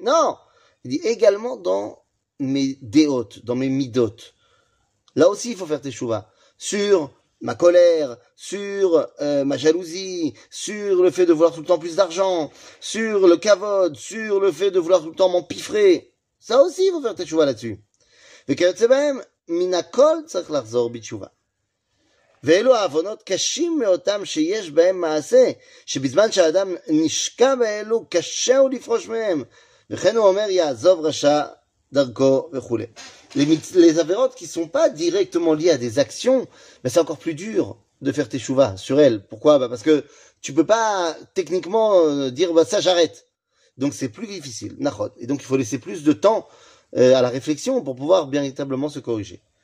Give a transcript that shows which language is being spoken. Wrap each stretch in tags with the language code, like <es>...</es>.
<fr>Non, il dit également dans mes déot, dans mes midot. Là aussi il faut faire teshuvah sur ma colère, sur ma jalousie, sur le fait de vouloir tout le temps plus d'argent, sur le kavod, sur le fait de vouloir tout le temps m'empiffrer. Ça aussi il faut faire teshuvah là-dessus.</fr> <he>וכיוצא בהם, מן הכל צריך לחזור בתשובה. ואלו האבונות קשים מאותם שיש בהם מעשה, שבזמן שהאדם נשקע באלו, קשה הוא לפרוש מהם. וכן הוא אומר, יעזוב רשע דרכו וכו'.</he> <fr>Les עבירות qui sont pas directement liées à des actions, mais c'est encore plus dur de faire teshuvah sur elles. Pourquoi? Parce que tu peux pas techniquement dire, bah, ça j'arrête. Donc c'est plus difficile. Nachod. Et donc il faut laisser plus de temps à la réflexion pour pouvoir véritablement se corriger.</fr>